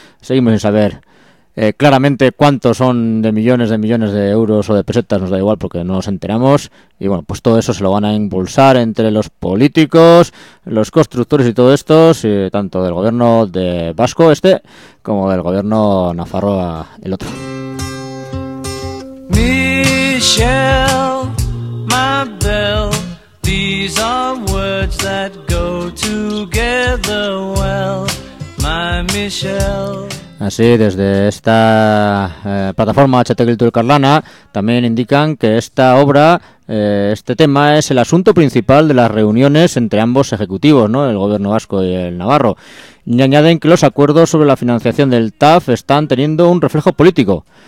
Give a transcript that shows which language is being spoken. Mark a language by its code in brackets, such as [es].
[es] Seguimos sin saber claramente cuántos son de millones de euros o de pesetas, nos da igual porque no nos enteramos. Y bueno, pues todo eso se lo van a impulsar entre los políticos, los constructores y todo esto, sí, tanto del gobierno de Vasco este como del gobierno Nafarroa el otro. [en] Michelle, my belle, these are words that go together well, my Michelle. [es] Así, desde esta plataforma HT Cultura Carlana también indican que esta obra, este tema es el asunto principal de las reuniones entre ambos ejecutivos, ¿no? El gobierno vasco y el navarro. Y añaden que los acuerdos sobre la financiación del TAF están teniendo un reflejo político.